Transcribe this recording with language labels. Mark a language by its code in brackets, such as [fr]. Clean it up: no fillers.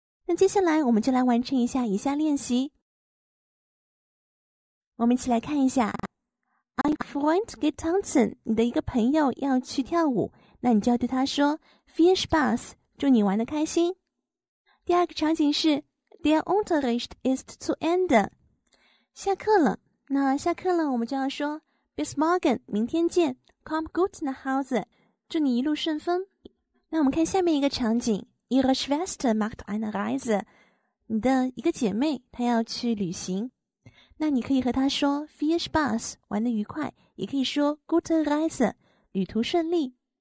[zh] 那接下来我们就来完成一下以下练习。我们一起来看一下 [de] Ein Freund geht tanzen， [zh] 你的一个朋友要去跳舞，那你就要对他说 [de] Viel Spaß， [zh] 祝你玩得开心。第二个场景是 [de] Der Unterricht ist zu Ende， [zh] 下课了。那下课了，我们就要说 [de] Bis morgen, [zh] 明天见 [de] Komm gut nach Hause, [zh] 祝你一路顺风。那我们看下面一个场景， [de] Ihre Schwester macht eine Reise, [zh] 你的一个姐妹她要去旅行。那你可以和她说 [de] Viel Spaß, [zh] 玩得愉快，也可以说 [de] Gute Reise, [zh] 旅途顺利。